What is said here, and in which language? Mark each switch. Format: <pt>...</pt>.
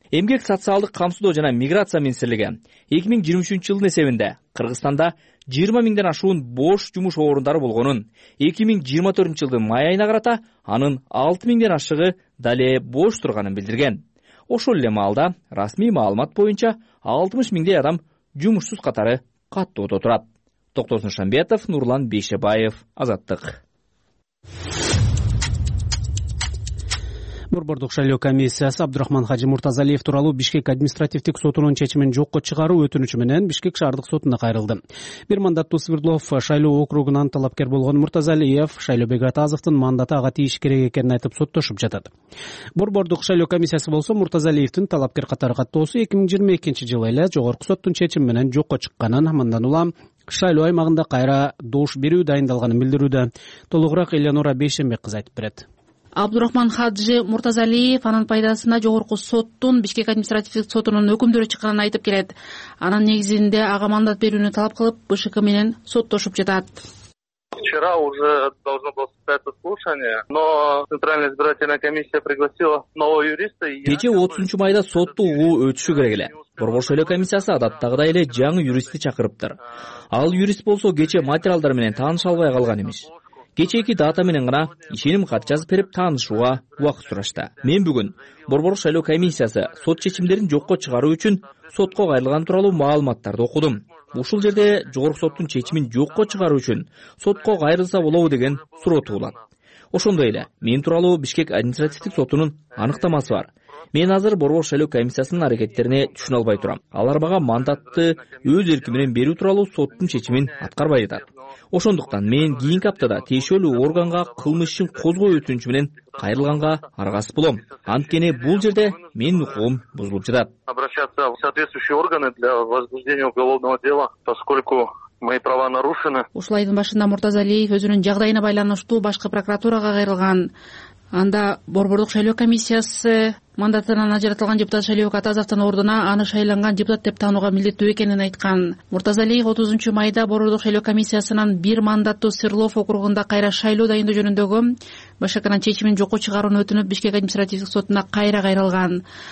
<ky>Эмгек социалдык камсыздоо жана миграция министрлиги 2023 жылдын эсебинде Кыргызстанда 20 миңден ашуун бош жумуш орундары болгонун, 2024 жылдын май айына карата анын 6 миңден ашыгы дале бош турганын билдирген. Ошол эле маалда расмий маалымат боюнча 60 миңдей адам жумушсуз катары каттоодо турат. Доктор Нушанбетов, Нурлан Бейшебаев, Азаттык. Борбордук шайлоо комиссиясы Абдрахман Хажы Муртазалиев тууралуу Бишкек административдик сотунун чечимин жокко чыгаруу өтүнүчү менен Бишкек шаардык сотуна кайрылды. Бир мандаттуу Свердлов шайлоо округунан талапкер болгон Муртазалиев Шайлообек Атазовдун мандаты ага тийиш керек экенин айтып соттошуп жатат. Борбордук шайлоо комиссиясы болсо Муртазалиевдин талапкер катары каттоосу 2022 жылы эле жогорку соттун чечими менен жокко чыкканын, мындан улам шайлоо аймагында кайра добуш берүү дайындалганын билдирүүдө. Толугураак Эленора Бейшенбек кызы айтып берет. Абдурахман Хаджи Муртазалиев анын пайдасына жогорку соттун Бишкек административдик сотунун өкүмдөрү чыкканын айтып келет. Анын негизинде ага мандат берүүнү талап кылып БШК менен соттошуп жатат.</ky> <ru>Вчера уже должно было состояться слушание, но Центральная избирательная комиссия пригласила нового юриста.</ru> <ky>Кечээ 30 майда сотту угуу өтүшү керек эле. Борбор шайлоо комиссиясы адаттагыдай эле жаңы юристти чакырыптыр. Ал юрист болсо кечээ материалдар менен тааныша албай калган эмиш. Кечээки дата менен гана ишеним кат жазып берип таанышууга убакыт сурашты. Мен бүгүн Борбор шайлоо комиссиясы сот чечимдерин жокко чыгаруу үчүн сотко кайрылган тууралуу маалыматтарды окудум. Ушул жерде жогорку соттун чечимин жокко чыгаруу үчүн сотко кайрылса болобу деген суроо туулат. Ошондой эле мен тууралуу Бишкек административдик сотунун аныктамасы бар. Мен азыр Борбор шайлоо комиссиясынын аракеттерине түшүнө албай турам. Алар мага мандатты өз эрки менен берүү тууралуу соттун чечимин аткарбай жатат. Ошондуктан мен кийинки аптада тиешелүү органга кылмыш ишин козгоо өтүнүчү менен кайрылганга аргасыз болом. Анткени бул жерде менин укугум бузулуп жатат.</ky> <ru>Обращаться в соответствующие органы для возбуждения уголовного дела, поскольку мои права нарушены.</ru> <ky>Ушул айдын башында Муртазалиев өзүнүн жагдайына байланыштуу башкы прокуратурага кайрылган. Анда борбордук шайлоо комиссиясы мандатынан ажыратылган депутат Шалиев Атазовдун ордуна аны шайланган депутат деп таанууга милдеттүү экенин айткан. Муртазалиев 30 майда борбордук шайлоо комиссиясынан бир мандаттуу Свердлов округунда кайра шайлоо дайындоо жөнүндөгү БШКнын чечимин жокко чыгарууну өтүнүп Бишкек административдик сотуна кайра кайрылган.</ky>